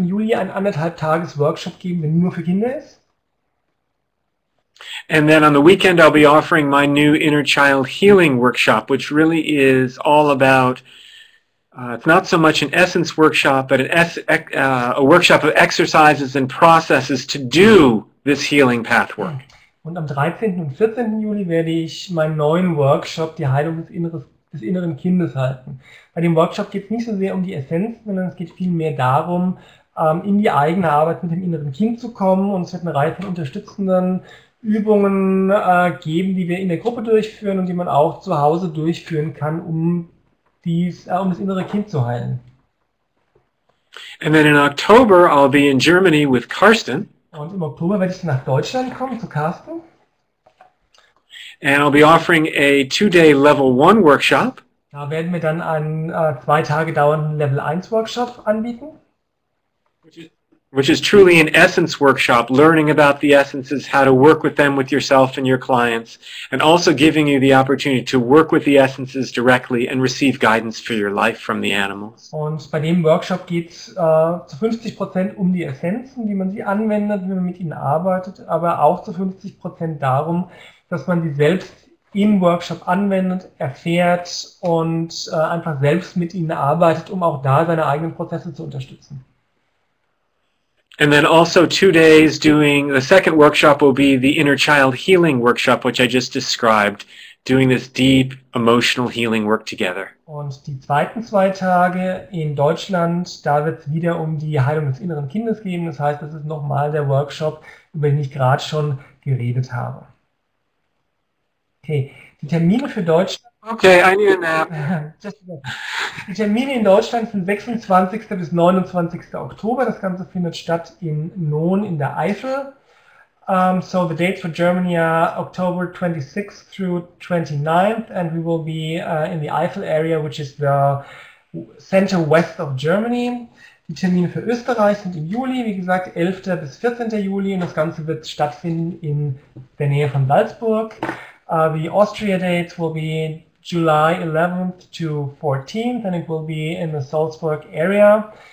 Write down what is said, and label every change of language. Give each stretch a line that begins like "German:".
German: Juli ein 1.5 Tages Workshop geben, der nur für Kinder ist.
English: And then on the weekend I'll be offering my new inner child healing workshop, which really is all about. It's not so much an essence workshop, but a workshop of exercises and processes to do this healing path work.
German: Und am 13. und 14. Juli werde ich meinen neuen Workshop, die Heilung des inneren Kindes, halten. Bei dem Workshop geht es nicht so sehr um die Essenz, sondern es geht vielmehr darum, in die eigene Arbeit mit dem inneren Kind zu kommen. Und es wird eine Reihe von unterstützenden Übungen geben, die wir in der Gruppe durchführen und die man auch zu Hause durchführen kann, um das innere Kind zu heilen.
English: And then in October I'll be in Germany with Carsten.
German: Und im Oktober werde ich nach Deutschland kommen zu Carsten.
English: And I'll be offering a 2-day level 1 workshop.
German: Da werden wir dann einen 2 Tage dauernden Level 1 Workshop anbieten.
English: Which is truly an essence workshop, learning about the essences, how to work with them with yourself and your clients, and also giving you the opportunity to work with the essences directly and receive guidance for your life from the animals.
German: Und bei dem Workshop geht's zu 50% um die Essenzen, wie man sie anwendet, wie man mit ihnen arbeitet, aber auch zu 50% darum, dass man sie selbst im Workshop anwendet, erfährt und einfach selbst mit ihnen arbeitet, um auch da seine eigenen Prozesse zu unterstützen.
English: And then also 2 days doing, the second workshop will be the inner child healing workshop, which I just described, doing this deep emotional healing work together.
German: Und die zweiten 2 Tage in Deutschland, da wird es wieder um die Heilung des inneren Kindes gehen. Das heißt, das ist nochmal der Workshop, über den ich gerade schon geredet habe. Okay, die Termine für Deutschland.
English: Okay, I need a nap.
German: Die Termine in Deutschland sind 26. bis 29. Oktober. Das Ganze findet statt in Non in der Eifel.
English: So the dates for Germany are October 26th through 29th and we will be in the Eifel area, which is the center west of Germany.
German: Die Termine für Österreich sind im Juli, wie gesagt, 11. bis 14. Juli und das Ganze wird stattfinden in der Nähe von Salzburg.
English: The Austria dates will be July 11th to 14th, and it will be in the Salzburg area.